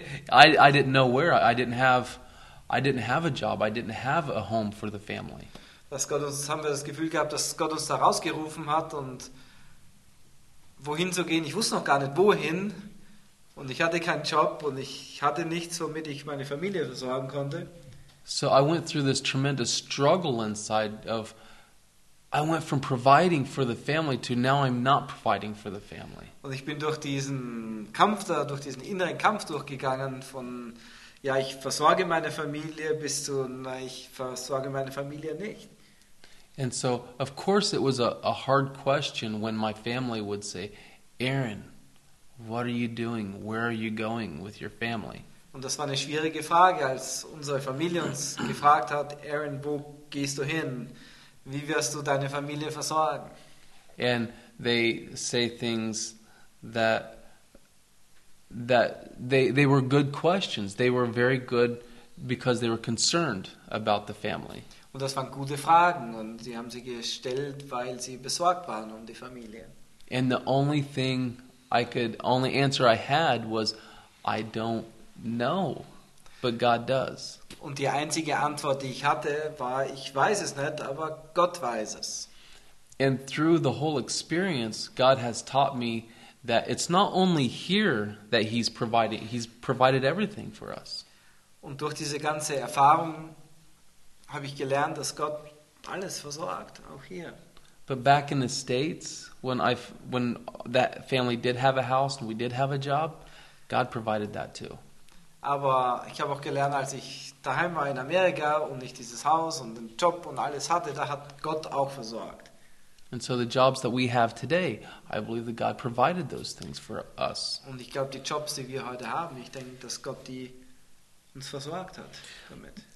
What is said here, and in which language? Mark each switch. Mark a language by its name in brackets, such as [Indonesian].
[English] I didn't know where. I didn't have a job. I didn't have a home for the family. [German] Dass Gott uns, haben wir das Gefühl gehabt, dass Gott uns da rausgerufen hat und wohin zu gehen. Ich wusste noch gar nicht wohin und ich hatte keinen Job und ich hatte nichts, womit ich meine Familie versorgen konnte. [English] So I went through this tremendous struggle inside of, I went from providing for the family to now I'm not providing for the family. [German] Und ich bin durch diesen Kampf da, durch diesen inneren Kampf durchgegangen von, ja, ich versorge meine Familie bis zu, na, ich versorge meine Familie nicht. [English] And so, of course, it was a hard question when my family would say, Aaron, what are you doing? Where are you going with your family? [German] Und das war eine schwierige Frage, als unsere Familie uns gefragt hat, Aaron, wo gehst du hin? Wie wirst du deine Familie versorgen? [English] And they say things that they were good questions. They were very good because they were concerned about the family. [German] Und das waren gute Fragen und sie haben sie gestellt, weil sie besorgt waren um die Familie. [English] And the only thing I could, only answer I had was, I don't know, but God does. [German] Und die einzige Antwort, die ich hatte, war, ich weiß es nicht, aber Gott weiß es. [English] And through the whole experience, God has taught me that it's not only here that he's provided everything for us. [German] Und durch diese ganze Erfahrung habe ich gelernt, dass Gott alles versorgt, auch hier. [English] But back in the States, when that family did have a house and we did have a job, God provided that too. [German] Aber ich habe auch gelernt, als ich daheim war in Amerika und ich dieses Haus und den Job und alles hatte, da hat Gott auch versorgt. [English] And so the jobs that we have today, I believe that God provided those things for us. [German] Und ich glaube, die Jobs, die wir heute haben, ich denke, dass Gott die uns versorgt hat damit.